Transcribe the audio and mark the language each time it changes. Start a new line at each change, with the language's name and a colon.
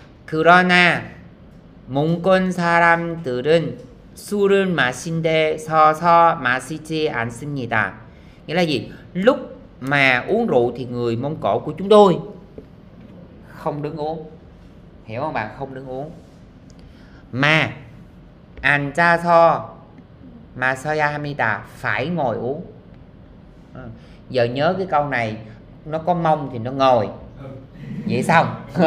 Korean: 그러나 몽골 사람들은 술을 마신데 서서 마시지 않습니다.
Vietnamese: Nghĩa là gì? Lúc mà uống rượu thì người Mông Cổ của chúng tôi không đứng uống. Hiểu không bạn? Không đứng uống.
Korean: Mà 앉아서 마셔야 합니다.
Vietnamese: Phải ngồi uống. Giờ nhớ cái câu này, nó có mông thì nó ngồi. Vậy xong.